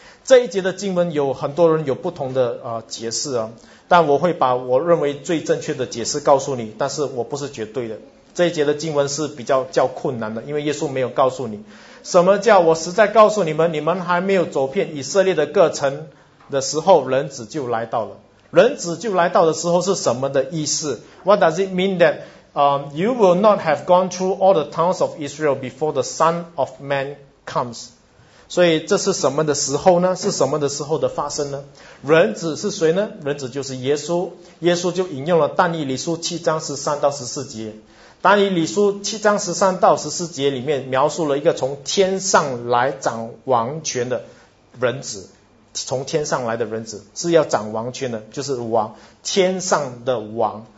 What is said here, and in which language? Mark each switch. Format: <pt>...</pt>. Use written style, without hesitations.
<zh>这一节的经文有很多人有不同的解释啊，但我会把我认为最正确的解释告诉你，但是我不是绝对的。这一节的经文是比较较困难的，因为耶稣没有告诉你什么叫我实在告诉你们，你们还没有走遍以色列的各城的时候，人子就来到了。人子就来到的时候是什么的意思？</zh> <en>What does it mean that you will not have gone through all the towns of Israel before the Son of Man comes?</en> <zh>所以这是什么的时候呢？是什么的时候的发生呢？人子是谁呢？人子就是耶稣。耶稣就引用了但以理书7:13-14。但以理书7:13-14里面描述了一个从天上来掌王权的人子，从天上来的人子是要掌王权的，就是王，天上的王。</zh>